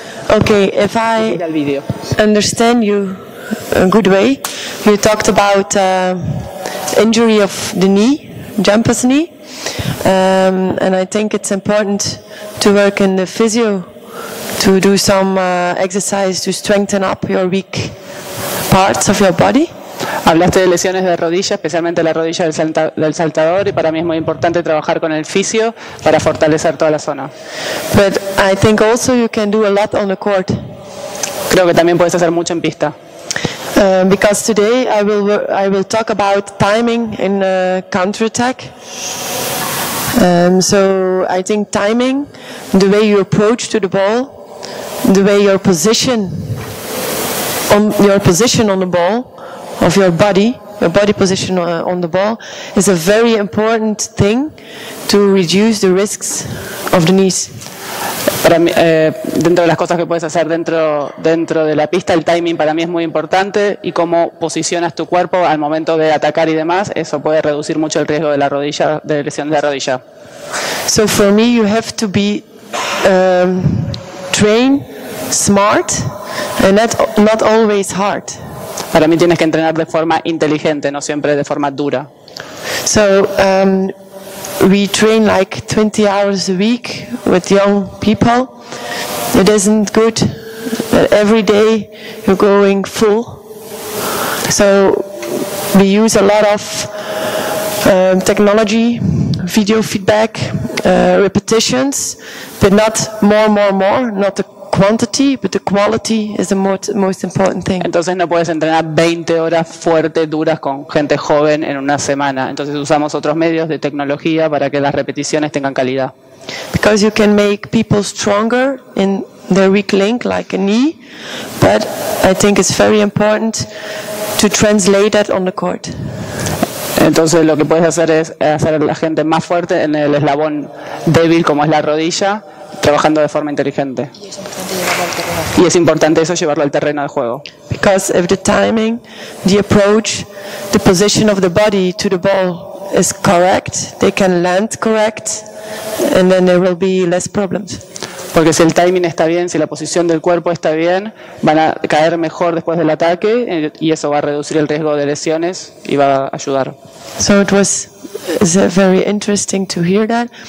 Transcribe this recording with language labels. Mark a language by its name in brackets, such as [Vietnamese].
[English] Okay, if I understand you a good way, you talked about injury of the knee, jumper's knee, and I think it's important to work in the physio to do some exercise to strengthen up your weak parts of your body. [Spanish] Hablaste de lesiones de rodilla, especialmente la rodilla del saltador, y para mí es muy importante trabajar con el fisio para fortalecer toda la zona. [English] But I think also you can do a lot on the court. [Spanish] Creo que también puedes hacer mucho en pista. [English] Because today I will talk about timing in a counterattack. So I think timing, the way you approach to the ball, the way your position on the ball, of your body position on the ball, is a very important thing to reduce the risks of the knees. [Spanish] Para mí, dentro de las cosas que puedes hacer dentro de la pista, el timing para mí es muy importante, y cómo posicionas tu cuerpo al momento de atacar y demás, eso puede reducir mucho el riesgo de la rodilla, de lesión de la rodilla. [English] So for me, you have to be train smart and not always hard. [Spanish] Para mí tienes que entrenar de forma inteligente, no siempre de forma dura. [English] So we train like 20 hours a week with young people. It isn't good that every day you're going full. So we use a lot of technology, video feedback, repetitions, but not more, not the quantity, but the quality is the most important thing. [Spanish] Entonces no puedes entrenar 20 horas fuertes, duras con gente joven en una semana. Entonces usamos otros medios de tecnología para que las repeticiones tengan calidad. [English] Because you can make people stronger in their weak link, like a knee, but I think it's very important to translate that on the court. [Spanish] Entonces lo que puedes hacer es hacer a la gente más fuerte en el eslabón débil como es la rodilla, trabajando de forma inteligente. Y es importante eso, llevarlo al terreno de juego. [English] Because if the timing, the approach, the position of the body to the ball is correct, they can land correct, and then there will be less problems. [Spanish] Porque si el timing está bien, si la posición del cuerpo está bien, van a caer mejor después del ataque, y eso va a reducir el riesgo de lesiones y va a ayudar. [English] So it was very interesting to hear that.